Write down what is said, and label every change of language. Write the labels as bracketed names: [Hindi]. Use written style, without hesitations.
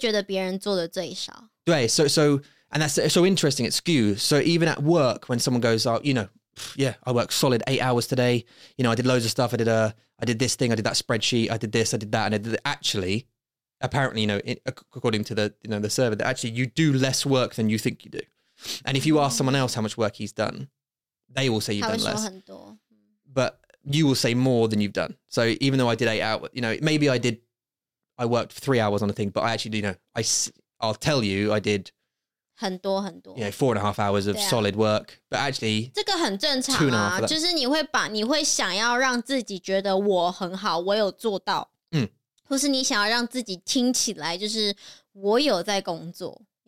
[Chinese] 就是一种bias，一种偏爱吧。对对对对对对对对。因为你会觉得自己就是做的最多。对。你会觉得别人做的最少。对，so [English] and that's so interesting. It's skewed. So even at work, when someone goes out, you know, yeah, I worked solid 8 hours today. You know, I did loads of stuff. I did this thing. I did that spreadsheet. I did this. I did that. And I did actually, apparently, you know, according to the you know the survey, that actually you do less work than you think you do. And if you ask someone else how much work he's done, they will say you've done less. But you will say more than you've done. So even though I did 8 hours, you know, maybe I worked 3 hours on a thing, but I actually, you know, I'll tell you I did, you know, 4.5 hours of solid work. But actually, [Chinese] 这个很正常啊，就是你会想要让自己觉得我很好，我有做到， 或是你想要让自己听起来就是我有在工作。